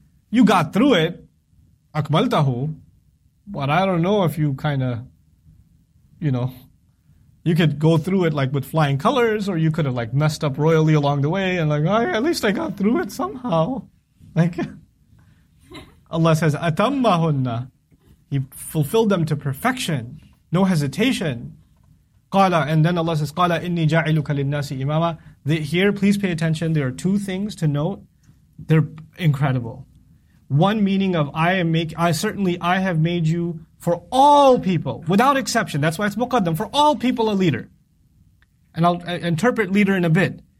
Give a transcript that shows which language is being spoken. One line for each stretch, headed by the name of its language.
English: You got through it, akmaltahu, but I don't know if you kind of, you know, you could go through it like with flying colors, or you could have like messed up royally along the way, and like, oh, at least I got through it somehow. Like, Allah says, أَتَمَّهُنَّ. He fulfilled them to perfection. No hesitation. قَالَ. And then Allah says,
Arabic: قَالَ إِنِّي جَعِلُكَ لِلنَّاسِ إِمَامًا.
English: Here, please pay attention. There are two things to note. They're incredible. One meaning of, I have made you for all people, without exception. That's why it's مُقَدَّم. For all people, a leader. And I'll interpret leader in a bit.